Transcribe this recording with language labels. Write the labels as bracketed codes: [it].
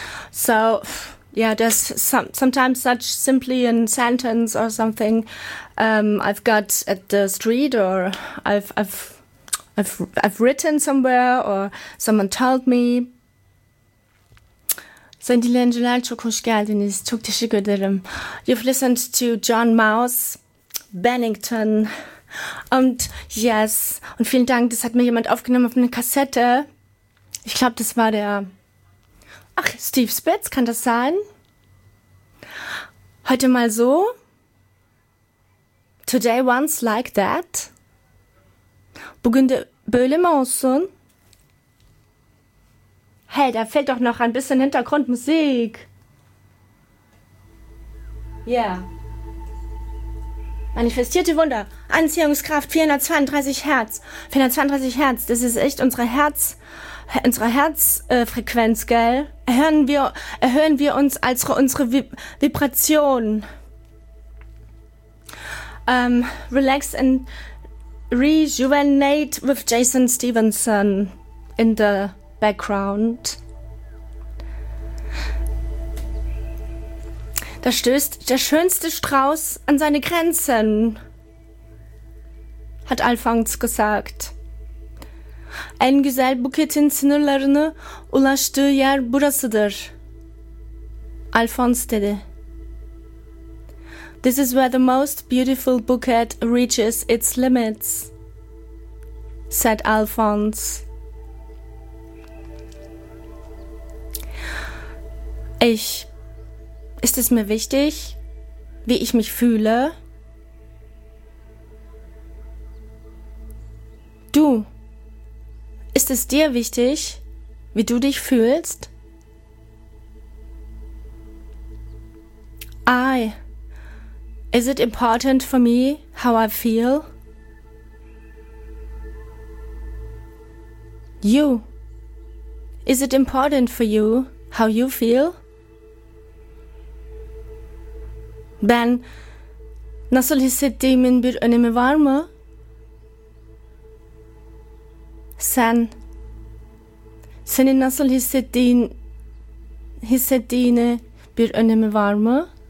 [en] So, yeah, there's sometimes such simply in sentence or something I've got at the street or I've written somewhere or someone told me. You've listened to John Mouse, Bennington. [de] Und yes, und vielen Dank, das hat mir jemand aufgenommen auf eine Kassette. Ich glaube, das war der... Ach, Steve Spitz, kann das sein? Heute mal so. [en] Today once like that. [tr] Bugün de böyle mi olsun? [de] Hey, da fehlt doch noch ein bisschen Hintergrundmusik. Yeah. Manifestierte Wunder. Anziehungskraft 432 Hertz. 432 Hertz, das ist echt unsere Herzfrequenz, gell? Erhöhen wir uns als unsere Vibration. [en] Relax and rejuvenate with Jason Stevenson in the background. [de] Da stößt der schönste Strauß an seine Grenzen. hat Alfons gesagt. [tr] En güzel buketin sınırlarını ulaştığı yer burasıdır, Alfons dedi. [en] This is where the most beautiful bouquet reaches its limits, said Alfons. [de] Ist es mir wichtig, wie ich mich fühle? Du, ist es dir wichtig, wie du dich fühlst? [en] I, is it important for me how I feel? You, is it important for you how you feel? [tr] Ben nasıl hissettiğimin bir önemi var mı? Senin nasıl hissettiğine bir önemi var mı?